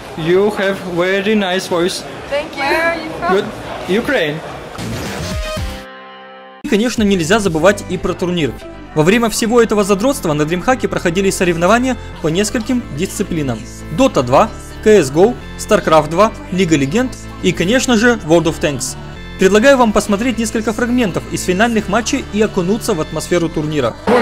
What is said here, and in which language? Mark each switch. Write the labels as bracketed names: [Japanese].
[English] You have very nice voice. Thank you. Where are you from? Ukraine. [Russian] И, конечно, нельзя забывать и про турнир. Во время всего этого задротства на DreamHack'е проходили соревнования по нескольким дисциплинам. Dota 2, CSGO, StarCraft 2, League of Legends и, конечно же, World of Tanks. Предлагаю вам посмотреть несколько фрагментов из финальных матчей и окунуться в атмосферу турнира.